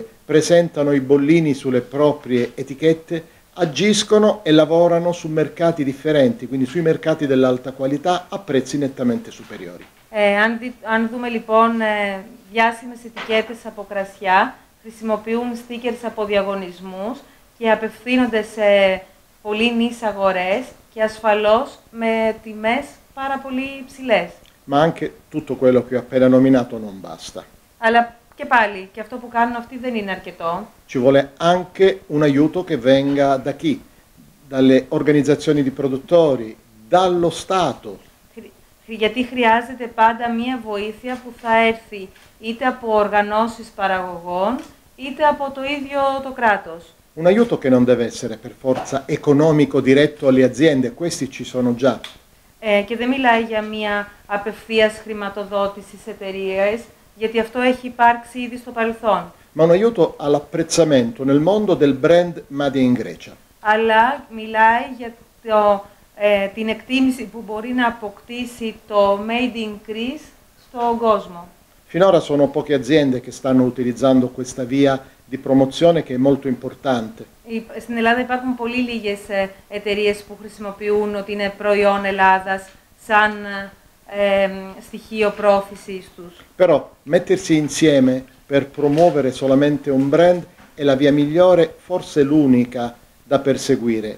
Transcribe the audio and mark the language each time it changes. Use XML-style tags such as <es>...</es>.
<it>presentano i bollini sulle proprie etichette agiscono e lavorano su mercati differenti, quindi sui mercati dell'alta qualità a prezzi nettamente superiori.</it> <el>Αν δούμε λοιπόν διάσημες ετικέτες από κρασιά, χρησιμοποιούν stickers από διαγωνισμούς και απευθύνονται σε πολύ νης αγορές και ασφαλώς με τιμές πάρα πολύ ψηλές.</el> <it>Ma anche tutto quello che ho appena nominato non basta.</it> <el>Αλλά και πάλι, και αυτό που κάνουν αυτοί δεν είναι αρκετό.</el> <it>Ci vuole anche un aiuto che venga da chi? Dalle organizzazioni di produttori, dallo Stato.</it> <el>Γιατί χρειάζεται πάντα μία βοήθεια που θα έρθει είτε από οργανώσεις παραγωγών είτε από το ίδιο το κράτος.</el> <it>Un aiuto che non deve essere per forza economico diretto alle aziende, questi ci sono già.</it> <el>Και δεν μιλάει για μία απευθείας χρηματοδότησης εταιρείες, γιατί αυτό έχει υπάρξει ήδη στο παρελθόν.</el> <it>Ma un aiuto all'apprezzamento nel mondo del brand Made in Grecia.</it> <el>Αλλά μιλάει για το την εκτίμηση που μπορεί να αποκτήσει το Made in Greece στον κόσμο.</el> <it>Finora sono poche aziende che stanno utilizzando questa via di promozione che è molto importante.</it> <el>Στην Ελλάδα υπάρχουν πολύ λίγες εταιρείες που χρησιμοποιούν ότι είναι προϊόν Ελλάδας σαν στοιχείο πρόθεσης τους.</el> <it>Però mettersi insieme per promuovere solamente un brand è la via migliore, forse l'unica da perseguire.</it>